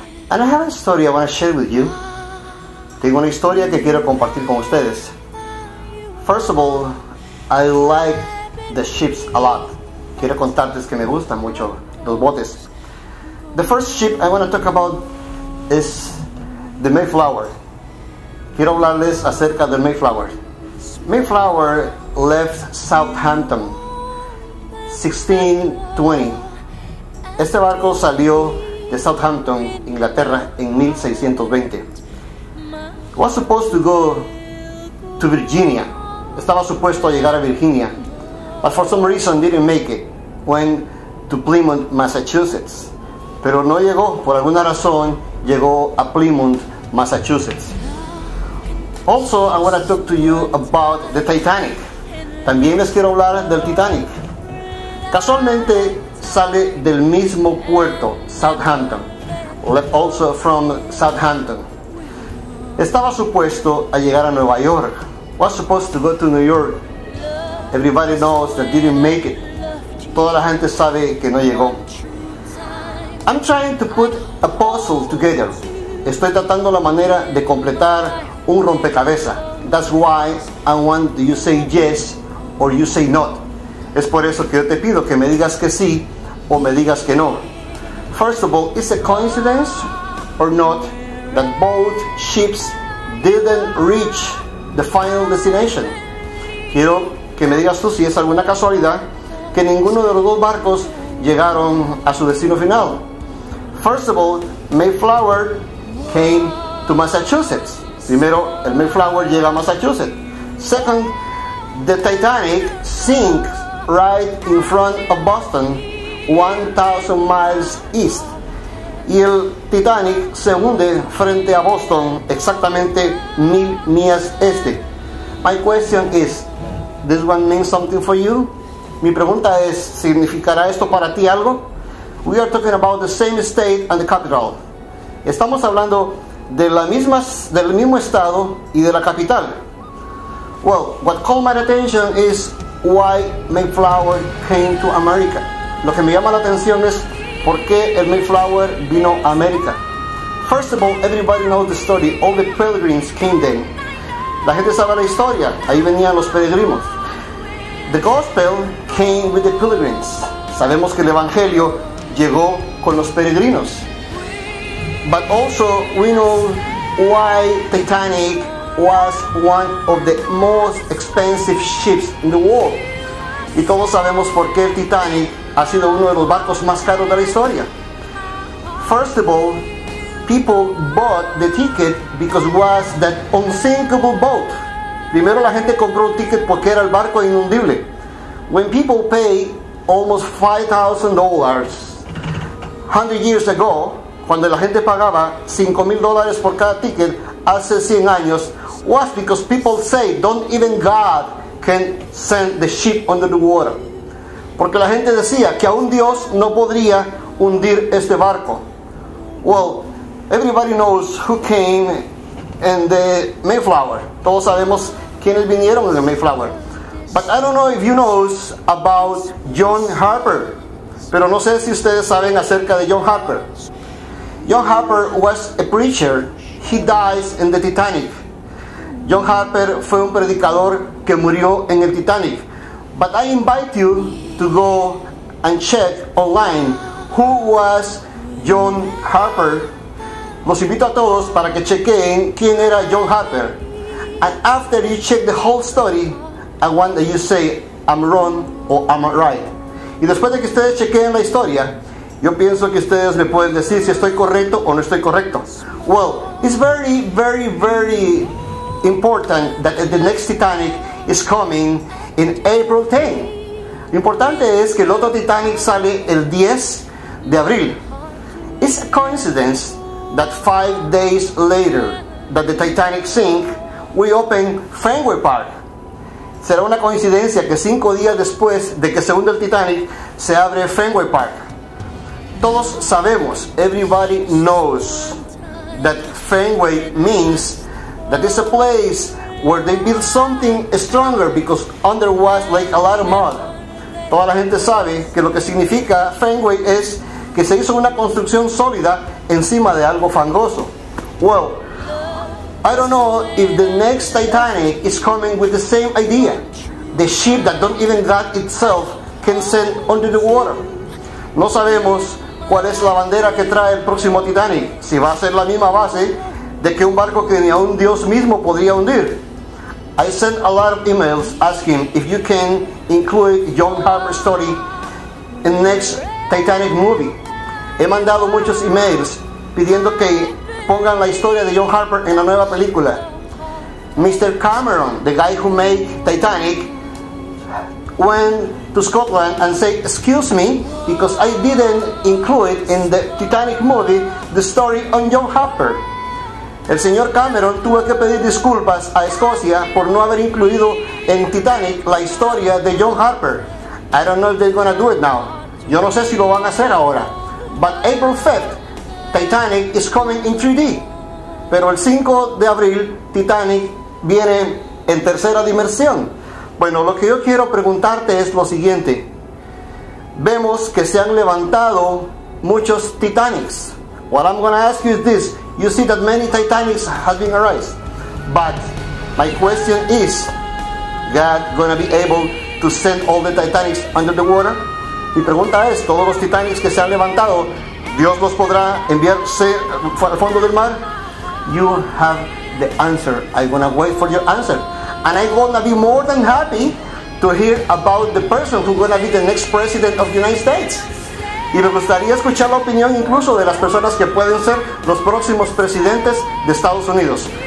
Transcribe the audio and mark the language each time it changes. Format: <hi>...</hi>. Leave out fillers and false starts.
<en>And I have a story I want to share with you.</en> <es>Tengo una historia que quiero compartir con ustedes.</es> <en>First of all, I like the ships a lot.</en> <es>Quiero contarles que me gustan mucho los botes.</es> <en>The first ship I want to talk about is the Mayflower.</en> <es>Quiero hablarles acerca del Mayflower.</es> <en>Mayflower left Southampton 1620.</en> <es>Este barco salió de Southampton, Inglaterra, en 1620.</es> <en>Was supposed to go to Virginia.</en> <es>Estaba supuesto a llegar a Virginia,</es> <en>but for some reason didn't make it. Went to Plymouth, Massachusetts.</en> <es>Pero no llegó, por alguna razón, llegó a Plymouth, Massachusetts.</es> <en>Also, I want to talk to you about the Titanic.</en> <es>También les quiero hablar del Titanic. Casualmente sale del mismo puerto, Southampton.</es> <en>Also from Southampton.</en> <es>Estaba supuesto a llegar a Nueva York.</es> <en>Was supposed to go to New York. Everybody knows that didn't make it.</en> <es>Toda la gente sabe que no llegó.</es> <en>I'm trying to put a puzzle together.</en> <es>Estoy tratando la manera de completar un rompecabezas.</es> <en>That's why I want you say yes or you say not.</en> <es>Es por eso que yo te pido que me digas que sí o me digas que no.</es> <en>First of all, is it a coincidence or not that both ships didn't reach the final destination?</en> <es>Quiero que me digas tú si es alguna casualidad que ninguno de los dos barcos llegaron a su destino final.</es> <en>First of all, Mayflower came to Massachusetts.</en> <es>Primero, el Mayflower llega a Massachusetts.</es> <en>Second, the Titanic sinks right in front of Boston, 1,000 miles east.</en> <es>Y el Titanic se hunde frente a Boston, exactamente 1,000 millas este.</es> <en>My question is, this one means something for you?</en> <es>Mi pregunta es, ¿significará esto para ti algo?</es> <en>We are talking about the same state and the capital.</en> <es>Estamos hablando del mismo estado y de la capital.</es> <en>Well, what called my attention is why Mayflower came to America.</en> <es>Lo que me llama la atención es por qué el Mayflower vino a América.</es> <en>First of all, everybody knows the story. All the pilgrims came then.</en> <es>La gente sabe la historia. Ahí venían los peregrinos.</es> <en>The gospel came with the pilgrims.</en> <es>Sabemos que el evangelio llegó con los peregrinos.</es> <en>But also we know why Titanic was one of the most expensive ships in the world.</en> <es>Y todos sabemos por qué el Titanic ha sido uno de los barcos más caros de la historia.</es> <en>First of all, people bought the ticket because was that unsinkable boat.</en> <es>Primero la gente compró un ticket porque era el barco inundible.</es> <en>When people pay almost $5,000 100 years ago,</en> <es>cuando la gente pagaba $5,000 por cada ticket hace 100 años,</es> <en>was because people say, don't even God can send the ship under the water.</en> <es>Porque la gente decía que aún Dios no podría hundir este barco.</es> <en>Well, everybody knows who came in the Mayflower.</en> <es>Todos sabemos quiénes vinieron en el Mayflower.</es> <en>But I don't know if you know about John Harper.</en> <es>Pero no sé si ustedes saben acerca de John Harper.</es> <en>John Harper was a preacher. He dies in the Titanic.</en> <es>John Harper fue un predicador que murió en el Titanic.</es> <en>But I invite you to go and check online who was John Harper.</en> <es>Los invito a todos para que chequen quién era John Harper.</es> <en>And after you check the whole story, I want that you say I'm wrong or I'm right.</en> <es>Y después de que ustedes chequen la historia, yo pienso que ustedes me pueden decir si estoy correcto o no estoy correcto.</es> <en>Well, it's very, very, very important that the next Titanic is coming in April 10.</en> <es>Lo importante es que el otro Titanic sale el 10 de abril.</es> <en>It's a coincidence that 5 days later that the Titanic sink, we open Fenway Park.</en> <es>será una coincidencia que 5 días después de que se hunde el Titanic se abre Fenway Park. Todos sabemos,</es> <en>everybody knows, that Fenway means that it's a place where they build something stronger because under was like a lot of mud.</en> <es>Toda la gente sabe que lo que significa Fenway es que se hizo una construcción sólida encima de algo fangoso.</es> <en>Well, I don't know if the next Titanic is coming with the same idea. The ship that don't even got itself can sink under the water.</en> <es>No sabemos cuál es la bandera que trae el próximo Titanic, si va a ser la misma base de que un barco que ni aun Dios mismo podría hundir.</es> <en>I sent a lot of emails asking if you can include John Harper's story in next Titanic movie.</en> <es>He mandado muchos emails pidiendo que pongan la historia de John Harper en la nueva película.</es> <en>Mr. Cameron, the guy who made Titanic, went to Scotland and said, excuse me, because I didn't include in the Titanic movie the story on John Harper.</en> <es>El señor Cameron tuvo que pedir disculpas a Escocia por no haber incluido en Titanic la historia de John Harper.</es> <en>I don't know if they're gonna do it now.</en> <es>Yo no sé si lo van a hacer ahora.</es> <en>But April 5th, Titanic is coming in 3D.</en> <es>Pero el 5 de abril, Titanic viene en tercera dimensión. Bueno, lo que yo quiero preguntarte es lo siguiente. Vemos que se han levantado muchos Titanics.</es> <en>What I'm gonna ask you is this. You see that many Titanics have been arisen. But my question is, God gonna be able to send all the Titanics under the water?</en> <es>Mi pregunta es, todos los Titanics que se han levantado, ¿Dios los podrá enviar al fondo del mar?</es> <en>You have the answer. I'm gonna wait for your answer. And I'm gonna be more than happy to hear about the person who's gonna be the next president of the United States.</en> <es>Y me gustaría escuchar la opinión incluso de las personas que pueden ser los próximos presidentes de Estados Unidos.</es>